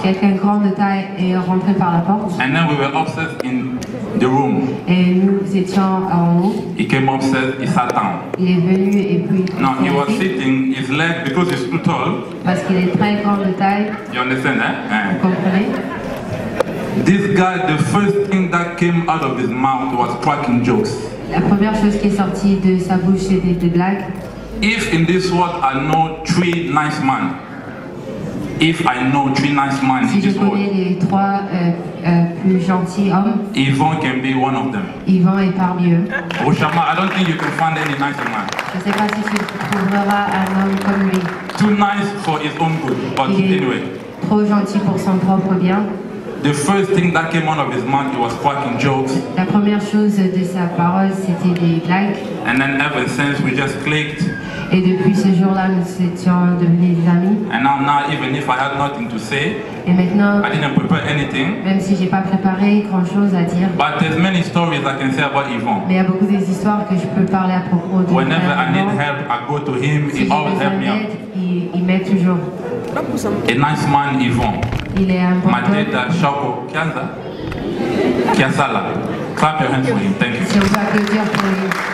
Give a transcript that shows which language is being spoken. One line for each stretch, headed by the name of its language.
French: Quelqu'un grand de taille est rentré par la porte.
English: And then we were upstairs in the room.
French: Et nous étions en haut.
English: He came upstairs, he sat down.
French: Il est venu et puis.
English: No, he was sitting. His leg because he's too tall.
French: Parce qu'il est très grand de taille.
English: You understand, eh?
French: Vous comprenez?
English: This guy, the first thing that came out of his mouth was cracking jokes.
French: La première chose qui est sortie de sa bouche était des blagues.
English: If in this world I know three nice men, if I know three nice men
French: si
English: in this world,
French: les trois, plus gentils hommes,
English: Yvon can be one of them.
French: Yvon est parmi eux.
English: Rochama, I don't think you can find any nicer man.
French: Je sais pas si tu trouveras un homme comme lui.
English: Too nice for his own good, but anyway.
French: Trop gentil pour son propre bien.
English: The first thing that came out of his mouth was cracking jokes.
French: La première chose de sa parole, c'était des blagues.
English: And then ever since we just clicked.
French: Et depuis ce jour-là, nous étions devenus des amis.
English: And now even if I had nothing to say.
French: Et maintenant,
English: I didn't prepare anything.
French: Même si j'ai pas préparé grand-chose à dire.
English: But there's many stories I can say about Yvon.
French: Mais il y a beaucoup des histoires que je peux parler à propos de.
English: Whenever I need help, I go to him.
French: Si
English: he always helps me.
French: Il m'aide toujours.
English: A nice man, Yvon.
French: Il est un bon homme.
English: Madeta Shoko Kianza. Kiasala. Clap your hands for him. Thank you.
French: C'est un plaisir pour lui.